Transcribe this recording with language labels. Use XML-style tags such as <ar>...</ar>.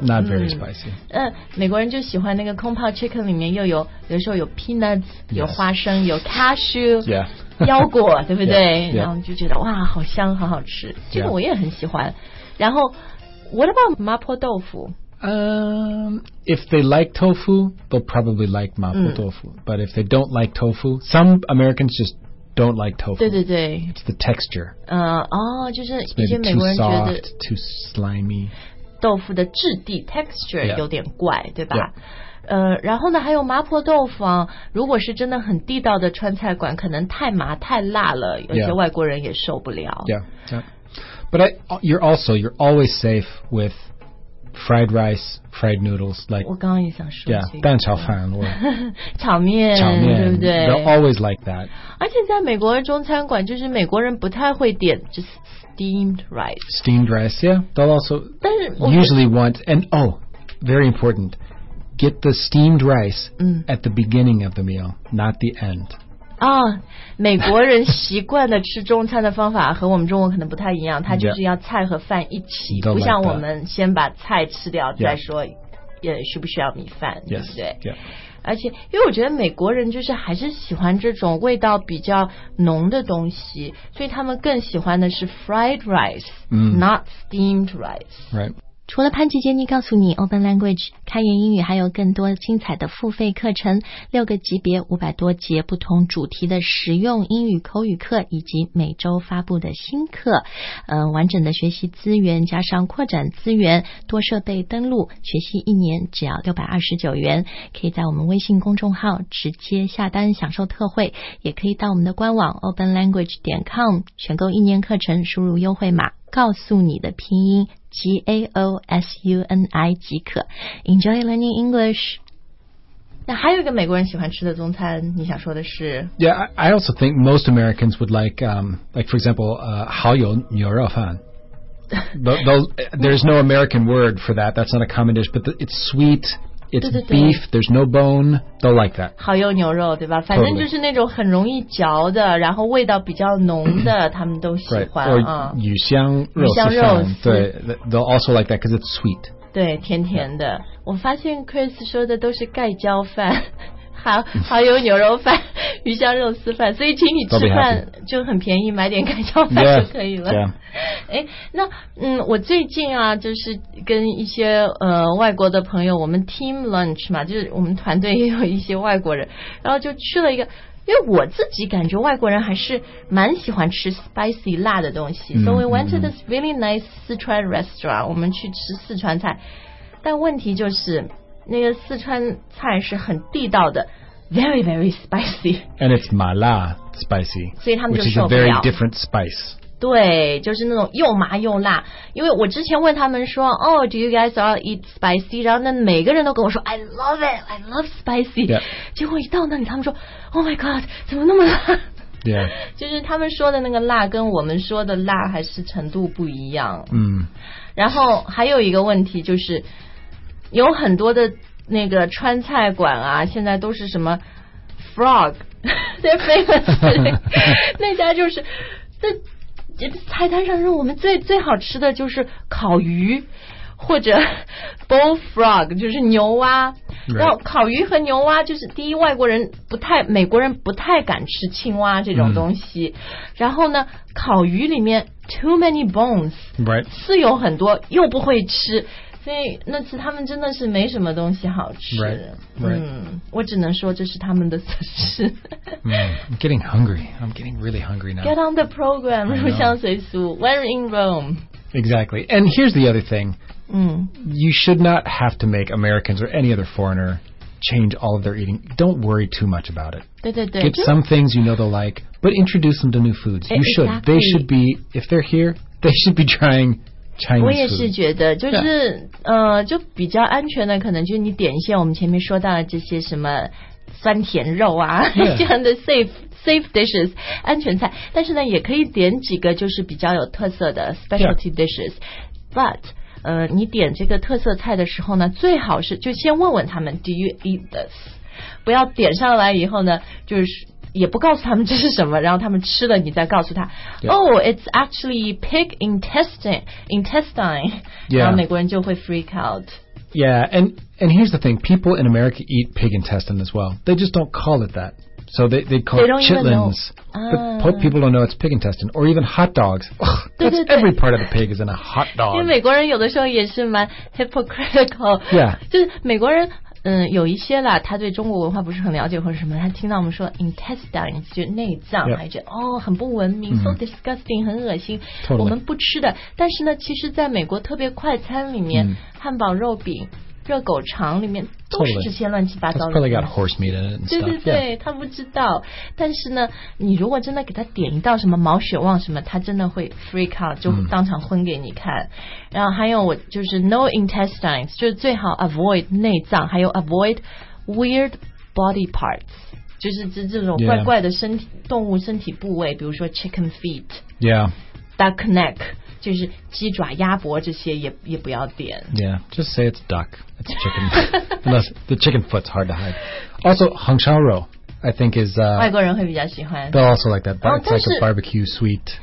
<en>but not very spicy、</en> <zh>美国人就喜欢那个空泡 chicken 里面又有有时候有 peanuts、</zh> <en>yes.</en> <zh>有花生有 cashew、</zh> <en>yeah.</en> <zh>腰果对不对</zh> <en>yeah, yeah.</en> <zh>然后就觉得哇好香好好吃，这个我也很喜欢、</zh> <en>yeah.</en> <zh>然后</zh> <en>what about</en> <zh>麻婆豆腐，</zh> <en>If they like tofu they'll probably like 麻婆豆腐、but if they don't like tofu some Americans justDon't like tofu.</en> <zh>对对对</zh> <en>It's the texture.</en> <zh>就是一些美国人觉得</zh> <en>too soft, too slimy.</en> <zh>豆腐的质地 texture、</zh> <en>yeah.</en> <zh>有点怪，对吧？</zh> <en>Yeah.</en> <zh>然后呢，还有麻婆豆腐啊。如果是真的很地道的川菜馆，可能太麻太辣了，有些外国人也受不了。</zh> <en>Yeah. But you're always safe with. Fried rice, fried noodles, like</en> <zh>我刚刚也想说 yeah, 蛋炒饭炒面，炒面，对不对？</zh> <en>They'll always like that.</en> <zh>而且在美国中餐馆，就是美国人不太会点</zh> <en>just steamed rice. Steamed rice, yeah. They'll also</en> <zh>但是</zh> <en>usually want, and oh, very important, get the steamed rice、at the beginning of the meal, not the end.</en> <zh>美国人习惯的吃中餐的方法和我们中国可能不太一样，他就是要菜和饭一起、</zh> <en>yeah.</en> <zh>不像我们先把菜吃掉、</zh> <en>yeah.</en> <zh>再说也需不需要米饭、</zh> <en>yes.</en> <zh>对不对、</zh> <en>yeah.</en> <zh>而且因为我觉得美国人就是还是喜欢这种味道比较浓的东西，所以他们更喜欢的是</zh> <en>fried rice、not steamed rice、 right.</en> <zh>除了潘吉杰尼告诉你 Open Language 开言英语，还有更多精彩的付费课程，六个级别500多节不同主题的实用英语口语课，以及每周发布的新课，完整的学习资源加上扩展资源，多设备登录学习一年只要629元，可以在我们微信公众号直接下单享受特惠，也可以到我们的官网 openlanguage.com 选购一年课程，输入优惠码告诉你的拼音GAOSUNI 即可。</zh> <en>Enjoy learning English.</en> <zh>那还有一个美国人喜欢吃的中餐，你想说的是</zh> <en>？Yeah, I also think most Americans would like, like for example, 蚝油牛肉饭. There's no American word for that. That's not a common dish, but it's sweet. It's beef. There's no bone. They'll like that.</en> <zh>蚝油牛肉，对吧？反正就是那种很容易嚼的，然后味道比较浓的，他们都喜欢啊。鱼香肉丝饭，</zh> <en>对 ，they'll also like that because it's sweet.</en> <zh>对，甜甜的。Yeah. 我发现 Chris 说的都是盖浇饭。好有牛肉饭鱼香肉丝饭，所以请你吃饭就很便宜，买点盖浇饭就可以了、那我最近啊就是跟一些外国的朋友，我们 team lunch 嘛，就是我们团队也有一些外国人，然后就去了一个，因为我自己感觉外国人还是蛮喜欢吃 spicy 辣的东西、</zh> <en>so we went to this really nice</en> <zh>四川 restaurant， 我们去吃四川菜，但问题就是那个四川菜是很地道的 ，</zh> <en>very very spicy， and it's 麻辣 spicy，</en> <zh>所以他们就受不了。</zh> <en>Which is a very different spice。</en> <zh>对，就是那种又麻又辣。因为我之前问他们说，哦、oh, ，</zh> <en>do you guys all eat spicy？</en> <zh>然后那每个人都跟我说 ，</zh> <en>I love it， I love spicy、 yeah.。</en> <zh>结果一到那里，他们说 ，</zh> <en>Oh my god，</en> <zh>怎么那么辣？</zh> <en>Yeah.</en> <zh>就是他们说的那个辣跟我们说的辣还是程度不一样。然后还有一个问题就是。有很多的那个川菜馆啊，现在都是什么 frog，</zh> <en>they're famous，</en> <zh>那家就是在菜单上让我们最好吃的就是烤鱼或者 bullfrog， 就是牛蛙。</zh> <en>Right.</en> <zh>然后烤鱼和牛蛙就是第一，外国人不太，美国人不太敢吃青蛙这种东西。然后呢，烤鱼里面</zh> <en>too many bones， right，</en> <zh>刺有很多，又不会吃。所以那次他们真的是没什么东西好吃。</zh> <en>Right, right.</en> <zh>嗯，我只能说这是他们的损失。</zh> <en>Man, I'm getting hungry. I'm getting really hungry now. Get on the program,</en> <zh>入乡随俗</zh> <en>When in Rome. Exactly. And here's the other thing. You should not have to make Americans or any other foreigner change all of their eating. Don't worry too much about it.</en> <zh>对对对</zh> <en>Get some things you know they'll like, but introduce them to new foods. You should. Exactly. They should be, if they're here, they should be trying... Chinese、</en> <zh>我也是觉得就是、</zh> <en>yeah.</en> <zh>就比较安全的可能就是你点线我们前面说到的这些什么酸甜肉啊、</zh> <en>yeah.</en> <zh>这样的 safe dishes 安全菜但是呢也可以点几个就是比较有特色的 specialty、</zh> <en>yeah.</en> <zh>dishes but、你点这个特色菜的时候呢最好是就先问问他们</zh> <en>do you eat this</en> <zh>不要点上来以后呢就是也不告诉他们这是什么然后他们吃了你再告诉他、</zh> <en>yeah. Oh, it's actually pig intestine、 yeah.</en> <zh>然后美国人就会</zh> <en>freak out Yeah, and here's the thing People in America eat pig intestine as well They just don't call it that So they call they it chitlins But people don't know it's pig intestine Or even hot dogs Ugh,</en> <zh>对对对</zh> <en>That's every part of the pig is in a hot dog</en> <zh>因为美国人有的时候也是蛮 hypocritical</zh> <en>Yeah</en> <zh>就是美国人有一些啦他对中国文化不是很了解或者什么他听到我们说 intestines 就内脏、</zh> <en>yep.</en> <zh>还觉得哦很不文明、</zh> <en>mm-hmm. so disgusting</en> <zh>很恶心、</zh> <en>totally.</en> <zh>我们不吃的但是呢其实在美国特别快餐里面、</zh> <en>mm.</en> <zh>汉堡肉饼热狗肠里面都是这些乱七八糟的</zh> <en>It's probably got horse meat in it and stuff.</en> <zh>对对对、</zh> <en>yeah.</en> <zh>他不知道但是呢你如果真的给他点一道什么毛血旺什么他真的会</zh> <en>freak out</en> <zh>就当场昏给你看、</zh> <en>mm.</en> <zh>然后还有我就是</zh> <en>no intestines</en> <zh>就是最好 avoid 内脏还有 avoid weird body parts 就是这种怪怪的身体、</zh> <en>yeah.</en> <zh>动物身体部位比如说 chicken feet</zh> <en>yeah</en> <zh>duck neck就是鸡爪鸭脖这些 也不要点</zh> <en>Yeah, just say it's duck It's chicken Unless the chicken foot's hard to hide Also, 红烧肉 I think is</en> <zh>外国人会比较喜欢</zh> <en>They'll also like that But、</en> <zh>哦、</zh> <en>it's like a barbecue sweet</en>